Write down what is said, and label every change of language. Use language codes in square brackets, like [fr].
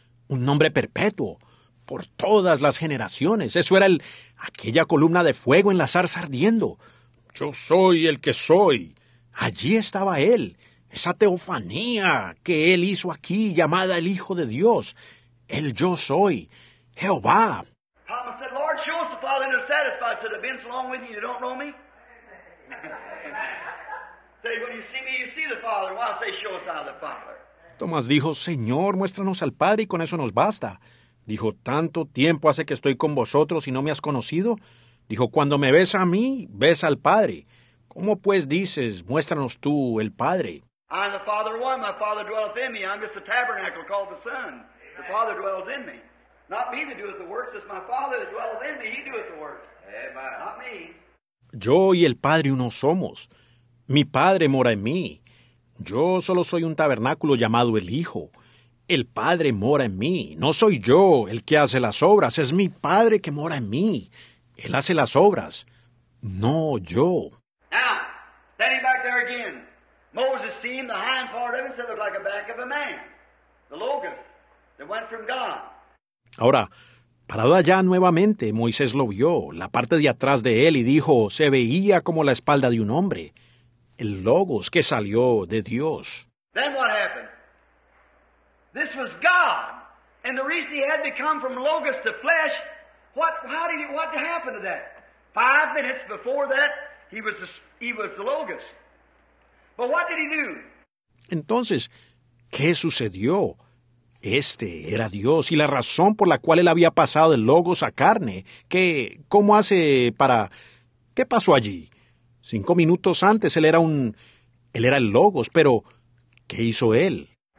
[es] Un nombre perpetuo por todas las generaciones. Eso era aquella columna de fuego en la zarza ardiendo. Yo soy el que soy. Allí estaba él, esa teofanía que él hizo aquí, llamada el Hijo de Dios. El yo soy, Jehová. [en] Thomas said, Lord, show us the Father and they're satisfied. Said, I've been so long with you, you don't know me? Say, when you see me, you see the Father. Why say, show us out of the Father? Tomás dijo, Señor, muéstranos al Padre y con eso nos basta. Dijo, tanto tiempo hace que estoy con vosotros y no me has conocido. Dijo, cuando me ves a mí, ves al Padre. ¿Cómo pues dices, muéstranos tú el Padre? I'm the Father one, my Father dwelleth in me. I'm just a tabernacle called the Son. The Father dwells in me. Not me that doeth the works, it's my Father that dwelleth in me. He doeth the works. Amen. Not me. [es] Yo y el Padre uno somos. Mi Padre mora en mí. Yo solo soy un tabernáculo llamado el Hijo. El Padre mora en mí. No soy yo el que hace las obras, es mi Padre que mora en mí. Él hace las obras, no yo. [en] Now, standing back there again, Moses seen the hind part of him, so it looked like a back of a man, the logos that went from God. [es] Ahora, parado allá nuevamente, Moisés lo vio, la parte de atrás de él, y dijo, se veía como la espalda de un hombre, el logos que salió de Dios. [en] Then what happened? This was God, and the reason he had to come from logos to flesh. What happened to that? 5 minutes before that, he was the Logos. But what did he do? [es] Entonces, ¿qué sucedió? Este era Dios, y la razón por la cual él había pasado del Logos a carne, que, ¿cómo hace para...? ¿Qué pasó allí? 5 minutos antes, él era el Logos, pero, ¿qué hizo él?